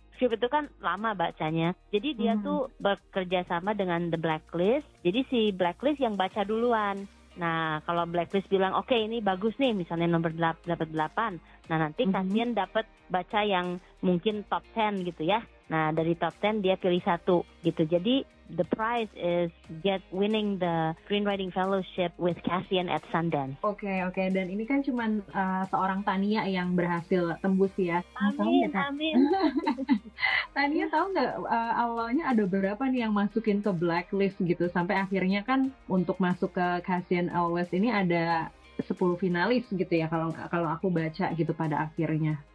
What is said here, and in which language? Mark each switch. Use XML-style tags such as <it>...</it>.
<id>Script itu kan lama bacanya. Jadi dia tuh bekerja sama dengan The Blacklist. Jadi si Blacklist yang baca duluan. Nah, kalau Blacklist bilang, oke ini bagus nih, misalnya nomor 8. Nah, nanti Cassian dapat baca yang mungkin top 10 gitu ya. Nah, dari top 10 dia pilih satu gitu.</id> <en>Jadi the prize is winning the screenwriting fellowship with Cassian at Sundance. Okay.</en> <id>Dan ini kan cuman seorang Tania yang berhasil tembus ya. Amin. Tania tahu nggak awalnya ada berapa nih yang masukin ke Blacklist gitu, sampai akhirnya kan untuk masuk ke Cassian Elwes ini ada 10 finalis gitu ya, kalau aku baca gitu pada akhirnya.</id>